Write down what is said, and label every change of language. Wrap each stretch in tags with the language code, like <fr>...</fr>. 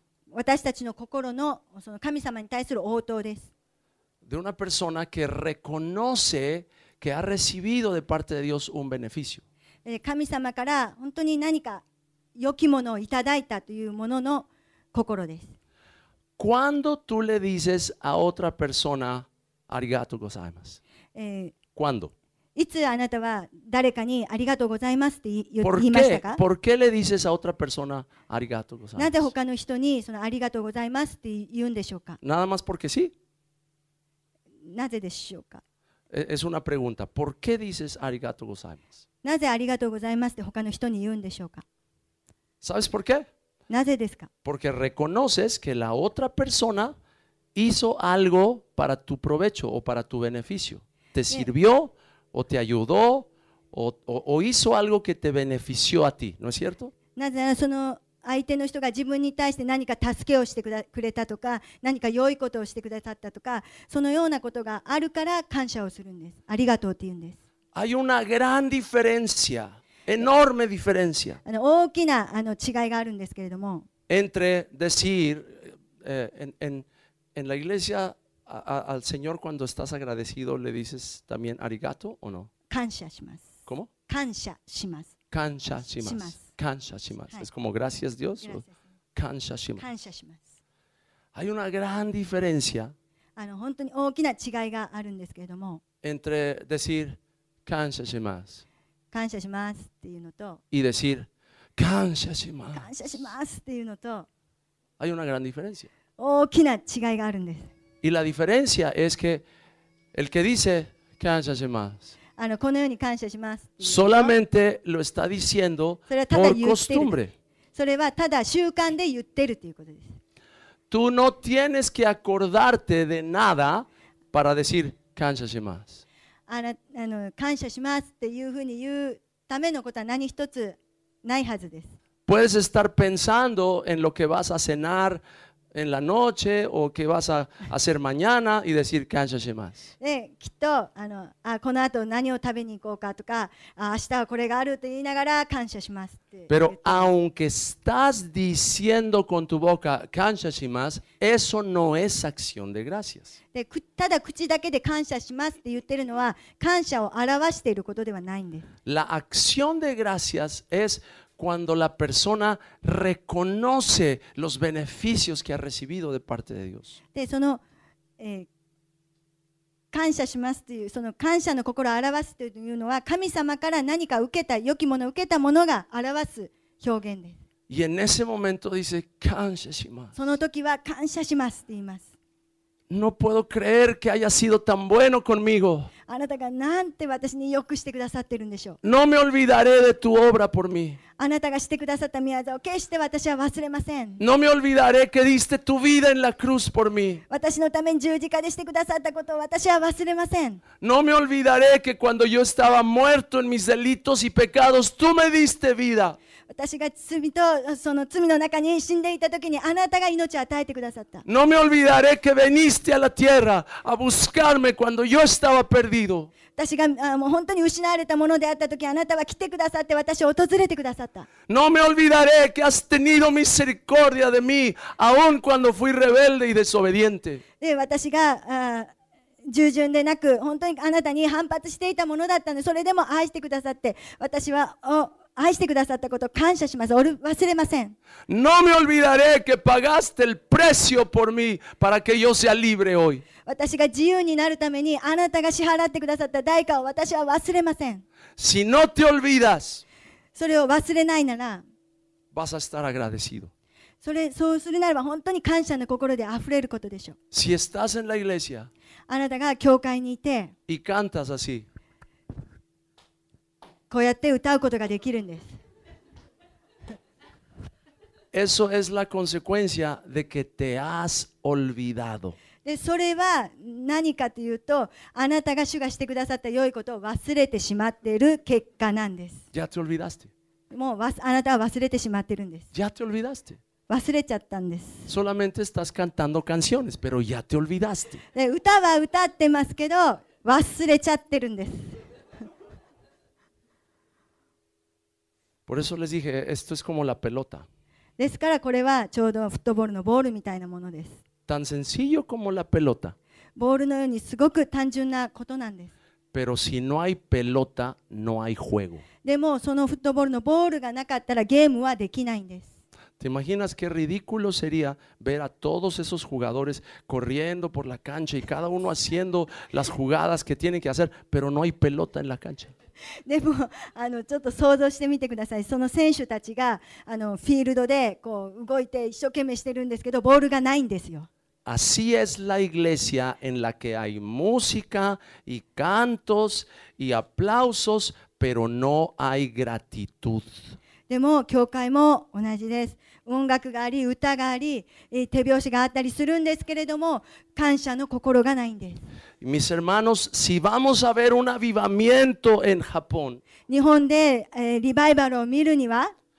<ja>私たちの心の、その神様に対する応答です。</ja> <es>De una persona que reconoce que ha recibido de parte de Dios un beneficio.</es> <ja>神様から本当に何か良きものをいただいたというものの心です。</ja> <es>Cuando tú le dices a otra persona</es> <ja>arigato gozaimasu.</ja> <es>¿Cuándo?</es> <ja>いつあなたは誰かにありがとうございますって言いましたか?</ja> <es>¿Por qué le dices a otra persona</es> <ja>arigato gozaimasu? なぜ他の人にそのありがとうございますって言うんでしょうか?</ja> <es>Nada más porque sí.</es> <ja>なぜでしょうか?</ja> <es>Es una pregunta. ¿Por qué dices</es> <ja>arigato gozaimasu? なぜありがとうございますって他の人に言うんでしょうか?</ja> <es>¿Sabes por qué?</es> <ja>なぜですか?</ja> <es>Porque reconoces que la otra persona hizo algo para tu provecho o para tu beneficio. Te sirvió o te ayudó o hizo algo que te benefició a ti, ¿no es cierto?</es> <ja>なぜならその相手の人が自分に対して何か助けをしてくれたとか何か良いことをしてくださったとかそのようなことがあるから感謝をするんです。ありがとうって言うんです。</ja> <es>Hay una gran diferencia. enorme diferencia.</es> <ja>大きな違いがあるんですけれども。</ja> <es>Entre decir en la iglesia al Señor cuando estás agradecido le dices también</es> <ja>arigato</ja> <es>o no?</es> <ja>感謝します。</ja> <es>¿Cómo?</es> <ja>感謝します。感謝します。感謝します。</ja> <es>Es como gracias Dios.</es> <ja>感謝します。感謝します。</ja> <es>Hay una gran diferencia.</es> <ja>本当に大きな違いがあるんですけれども。</ja> <es>Entre decir</es> <ja>感謝します。感謝しますっていうのと。</ja> <es>Y decir</es> <ja>感謝します。感謝しますっていうのと。</ja> <es>Hay una gran diferencia.</es> <ja>大きな違いがあるんです。</ja> <es>Y la diferencia es que el que dice</es> <ja>感謝します。このように感謝します。</ja> <es>Solamente lo está diciendo por costumbre.</es> <ja>それはただ習慣で言ってるということです。</ja> <es>Tú no tienes que acordarte de nada para decir</es> <ja>感謝します。感謝しますっていうふうに言うためのことは何一つないはずです。</ja> <es>Puedes estar pensando en lo que vas a cenar en la noche o qué vas a hacer mañana y decir</es> <ja>感謝します。ね、きっとこの後何を食べに行こうかとか、明日はこれがあると言いながら感謝しますって。</ja> <es>Pero aunque estás diciendo con tu boca</es> <ja>感謝します、</ja> <es>eso no es acción de gracias。</es> <ja>で、ただ口だけで感謝しますって言ってるのは感謝を表していることではないんです。</ja> <es>La acción de gracias es cuando la persona reconoce los beneficios que ha recibido de parte de Dios.</es> <ja>で、その、感謝しますというその感謝の心を表すというのは神様から何か受けた良きものを受けたものが表す表現です。</ja> <es>Y en ese momento dice,</es> <ja>感謝します。その時は感謝しますと言います。</ja> <es>No puedo creer que haya sido tan bueno conmigo.</es> <ja>あなたがなんて私によくしてくださってるんでしょう。</ja> <es>No me olvidaré de tu obra por mí.</es> <ja>あなたがしてくださった御業を決して私は忘れません。</ja> <es>No me olvidaré que diste tu vida en la cruz por mí.</es> <ja>私のために十字架でしてくださったことを私は忘れません。</ja> <es>No me olvidaré que cuando yo estaba muerto en mis delitos y pecados, tú me diste vida.</es> <ja>私が罪とその罪の中に死んでいた時にあなたが命を与えてくださった。</ja> <es>No me olvidaré que veniste a la tierra a buscarme cuando yo estaba perdido.</es> <ja>私がもう本当に失われたものであった時あなたは来てくださって私を訪れてくださった。</ja> <es>No me olvidaré que has tenido misericordia de mí aun cuando fui rebelde y desobediente.</es> <ja>私が従順でなく本当にあなたに反発していたものだったのでそれでも愛してくださって私は愛してくださったことを感謝します。忘れません。</ja> <es>No me olvidaré que pagaste el precio por mí para que yo sea libre hoy.</es> <ja>私が自由になるためにあなたが支払ってくださった代価を私は忘れません。</ja> <es>Si no te olvidas,</es> <ja>それを忘れないなら、</ja> <es>vas a estar agradecido.</es> <ja>そうするならば本当に感謝の心であふれることでしょう。</ja> <es>Si estás en la iglesia,</es> <ja>あなたが教会にいて、</ja> <es>y cantas así.</es> <ja>こうやって歌うことができるんです。</ja> <es>Eso es la consecuencia de que te has olvidado.</es> <ja>で、それは何かというと、あなたが主がしてくださった良いことを忘れてしまっている結果なんです。</ja> <es>Ya te olvidaste.</es> <ja>もうあなたは忘れてしまっているんです。</ja> <es>Ya te olvidaste.</es> <ja>忘れちゃったんです。</ja> <es>Solamente estás cantando canciones, pero ya te olvidaste.</es> <ja>で、歌は歌ってますけど、忘れちゃってるんです。</ja> <es>Por eso les dije, esto es como la pelota.</es> <ja>ですからこれはちょうどフットボールのボールみたいなものです。</ja> <es>Tan sencillo como la pelota.</es> <ja>ボールのようにすごく単純なことなんです。</ja> <es>Pero si no hay pelota, no hay juego.</es> <ja>でもそのフットボールのボールがなかったらゲームはできないんです。</ja> <es>¿Te imaginas qué ridículo sería ver a todos esos jugadores corriendo por la cancha y cada uno haciendo las jugadas que tiene que hacer, pero no hay pelota en la cancha?</es> <ja>でもちょっと想像してみてください。その選手たちがフィールドでこう動いて一生懸命してるんですけど、ボールがないんですよ。</ja> <es>Así es la iglesia en la que hay música y cantos y aplausos, pero no hay gratitud.</es> <ja>でも教会も同じです。音楽があり、歌があり、手拍子があったりするんですけれども、感謝の心がないんです。</ja> <es>Mis hermanos, si vamos a ver un avivamiento en Japón,</es> <ja>日本で、リバイバルを見るには、</ja>